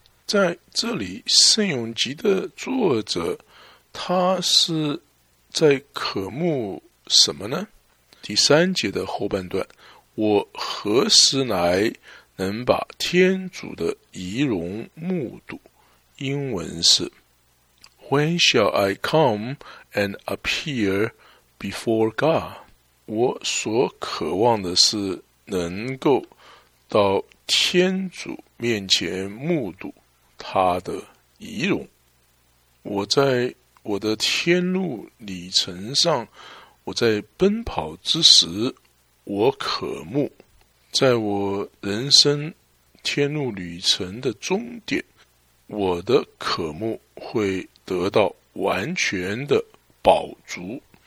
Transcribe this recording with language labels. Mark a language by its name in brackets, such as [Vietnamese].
[Chinese] 在这里圣咏集的作者他是在渴慕什么呢？第3的后半段，我何时来能把天主的仪容目睹？英文是 [English] When shall I come and appear before God? [Chinese] 我所渴望的是能够到天主面前目睹他的仪容。我在我的天路里程上，我在奔跑之时，我渴慕在我人生天路旅程的终点，我的渴慕会得到完全的饱足。